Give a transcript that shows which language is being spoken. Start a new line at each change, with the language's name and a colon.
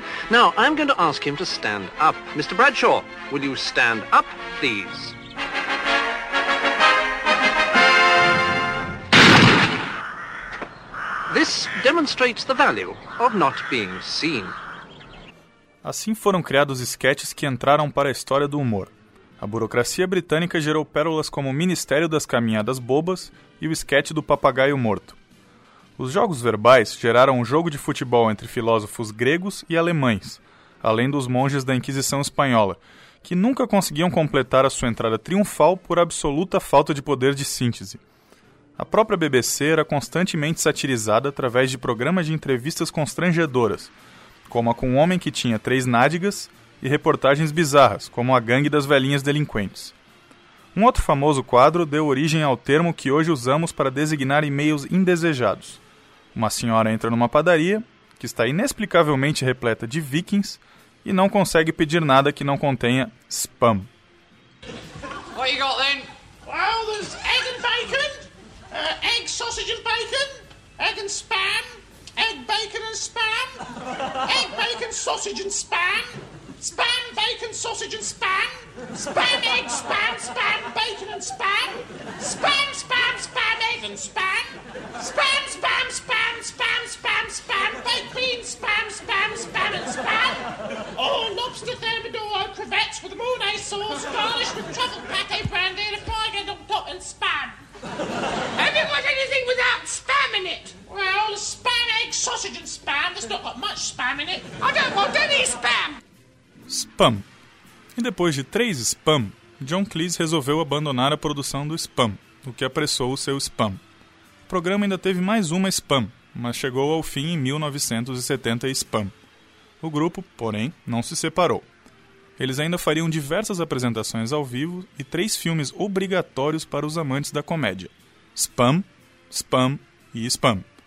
English: Now, I'm going to ask him to stand up. Mr. Bradshaw, will you stand up, please? This demonstrates the value of not being seen.
Portuguese: Assim foram criados esquetes que entraram para a história do humor. A burocracia britânica gerou pérolas como o Ministério das Caminhadas Bobas e o esquete do Papagaio Morto. Os jogos verbais geraram um jogo de futebol entre filósofos gregos e alemães, além dos monges da Inquisição Espanhola, que nunca conseguiam completar a sua entrada triunfal por absoluta falta de poder de síntese. A própria BBC era constantemente satirizada através de programas de entrevistas constrangedoras, como a com um homem que tinha três nádegas, e reportagens bizarras, como a gangue das velhinhas delinquentes. Um outro famoso quadro deu origem ao termo que hoje usamos para designar e-mails indesejados. Uma senhora entra numa padaria, que está inexplicavelmente repleta de vikings, e não consegue pedir nada que não contenha spam.
English: What you got then? Well, there's egg and bacon, egg, sausage and bacon, egg and spam, egg, bacon and spam, egg, bacon, sausage and spam. Spam, bacon, sausage and spam. Spam, egg, spam, spam, bacon and spam. Spam, spam, spam, egg and spam. Spam, spam, spam, spam, spam, spam. Baked beans, spam, spam, spam and spam. Oh, lobster thermidor, crevettes with mayonnaise sauce, garnished with truffle pate brandy and a fried egg on top and spam. Have you got anything without spam in it? Well, a spam, egg, sausage and spam. There's not got much spam in it. I don't want any spam. Spam.
Portuguese: E depois de três spam, John Cleese resolveu abandonar a produção do spam, o que apressou o seu spam. O programa ainda teve mais uma spam, mas chegou ao fim em 1970 spam. O grupo, porém, não se separou. Eles ainda fariam diversas apresentações ao vivo e três filmes obrigatórios para os amantes da comédia: Spam, Spam e Spam.